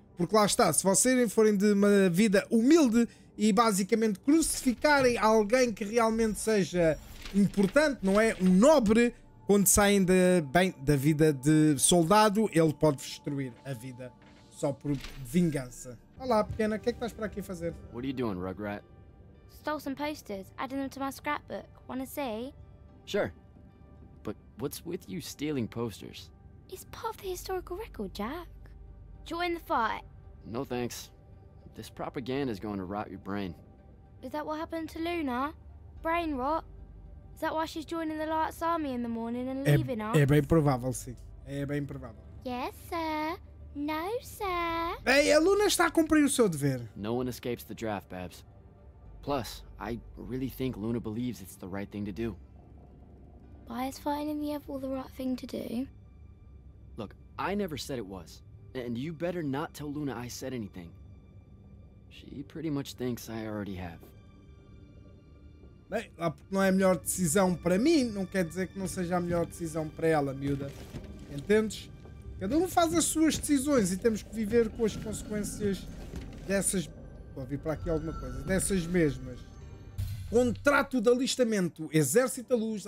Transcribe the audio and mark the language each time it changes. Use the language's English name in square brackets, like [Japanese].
[Portuguese] Porque lá está, se vocês forem de uma vida humilde e basicamente crucificarem alguém que realmente seja importante, não é? Um nobre, quando saem de, bem, da vida de soldado, ele pode destruir a vida só por vingança. Olá, pequena, o que é que estás para aqui fazer? O que estás fazendo, Rugrat? [English] Stole some posters, adding them to my scrapbook. Wanna see? Sure. But what's with you stealing posters? It's part of the historical record, Jack. Join the fight. No thanks. This propaganda is going to rot your brain. Is that what happened to Luna? Brain rot? Is that why she's joining the Light's army in the morning and leaving us? [Portuguese] É bem provável, sim. É bem provável. [English] Yes, sir. No, sir. [Portuguese] Bem, a Luna está a cumprir o seu dever. [English] No one escapes the draft, Babs. Plus, I really think Luna believes it's the right thing to do. Why is fighting in the Evil the right thing to do? Look, I never said it was. And you better not tell Luna I said anything. She pretty much thinks I already have. [Portuguese] Bem, lá porque não é a melhor decisão para mim, não quer dizer que não seja a melhor decisão para ela, miúda. Entendes? Cada um faz as suas decisões e temos que viver com as consequências dessas... Vou vir para aqui alguma coisa. Dessas mesmas. Contrato de alistamento. Exército da Luz.